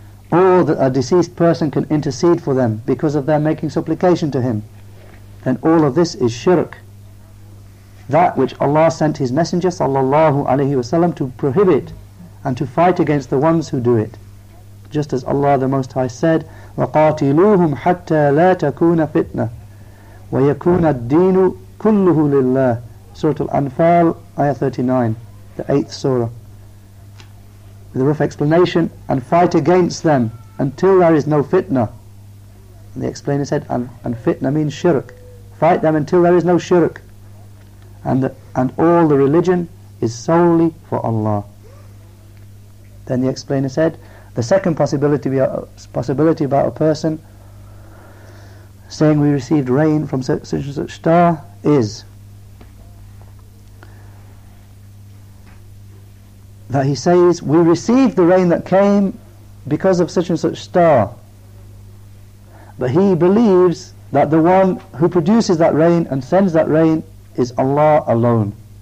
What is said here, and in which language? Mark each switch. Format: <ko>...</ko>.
<en>Or that a deceased person can intercede for them because of their making supplication to him. Then all of this is shirk, that which Allah sent his Messenger sallallahu alayhi wa sallam to prohibit and to fight against the ones who do it. Just as Allah the Most High said,</en> <ar>وَقَاتِلُوهُمْ حَتَّى لَا تَكُونَ فِتْنَةً وَيَكُونَ الدِّينُ كُلُّهُ لِلَّهِ.</ar> <en>Surah Al-Anfal, ayah 39, the 8th surah. With a rough explanation, and fight against them until there is no fitna. And the explainer said, and fitna means shirk. Fight them until there is no shirk. And all the religion is solely for Allah. Then the explainer said, the second possibility about a person saying we received rain from such and such star is that he says we received the rain that came because of such and such star, but he believes that the one who produces that rain and sends that rain is Allah alone.</en>